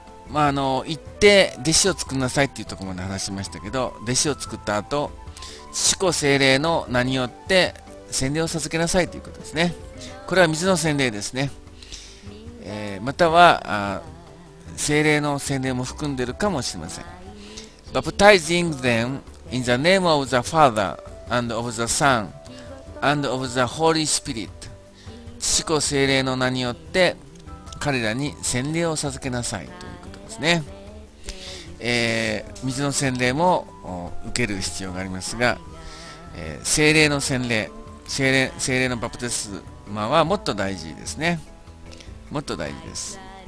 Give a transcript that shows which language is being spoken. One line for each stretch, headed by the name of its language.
Japanese: まあ、あの、行って弟子を作んなさいっていうところまで話しましたけど、弟子を作った後、父子聖霊の名によって洗礼を授けなさいということですね。これは水の洗礼ですね。または聖霊の洗礼も含んでるかもしれません。
English: Baptizing them in the name of the Father and of the Son and of the Holy Spirit。
Japanese: 父子聖霊の名によって彼らに洗礼を授けなさいということですね。水の洗礼も受ける必要がありますが、聖霊の洗礼、聖霊のバプテスマはもっと大事ですね。もっと大事です。